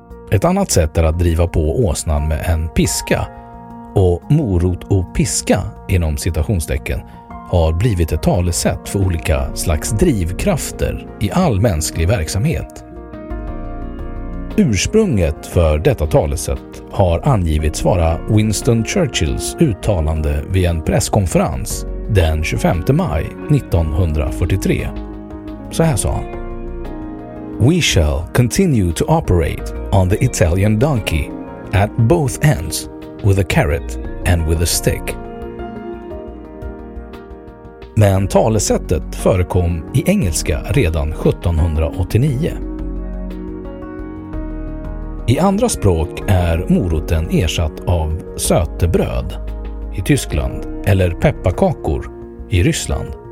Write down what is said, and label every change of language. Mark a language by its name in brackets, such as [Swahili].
[Swedish] Ett annat sätt är att driva på åsnan med en piska, och morot och piska inom citationstecken har blivit ett talesätt för olika slags drivkrafter i all mänsklig verksamhet. Ursprunget för detta talesätt har angivits vara Winston Churchills uttalande vid en presskonferens den 25 maj 1943. Så här sa han: [English] "We shall continue to operate on the Italian donkey at both ends with a carrot and with a stick." [Swedish] Men talesättet förekom i engelska redan 1789. I andra språk är moroten ersatt av sötebröd i Tyskland eller pepparkakor i Ryssland.